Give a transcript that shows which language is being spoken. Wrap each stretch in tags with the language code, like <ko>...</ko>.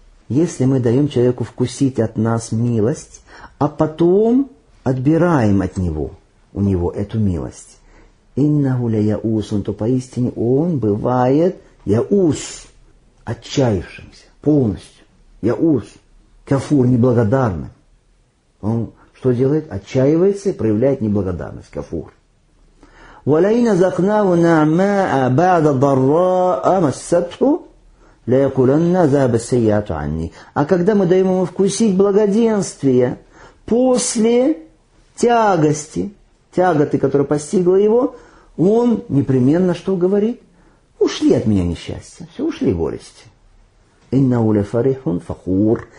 <ru>Если мы даем человеку вкусить от нас милость, а потом отбираем от него, у него эту милость, إِنَّهُ لَيَئُوسٌ, то поистине он бывает яус, отчаявшимся полностью, яус, кафур, неблагодарным. Он что делает? Отчаивается и проявляет неблагодарность, кафур.</ru> <ar>ولئن أذقناه نعماء بعد ضراء مسته ليقولن ذهب السيئات عني.</ar> <ru>А когда мы даем ему вкусить благоденствие после тягости, тяготы, которая постигла его, он непременно что говорит? Ушли от меня несчастья, все ушли горести. Иннау ля фарихун фахур.</ru>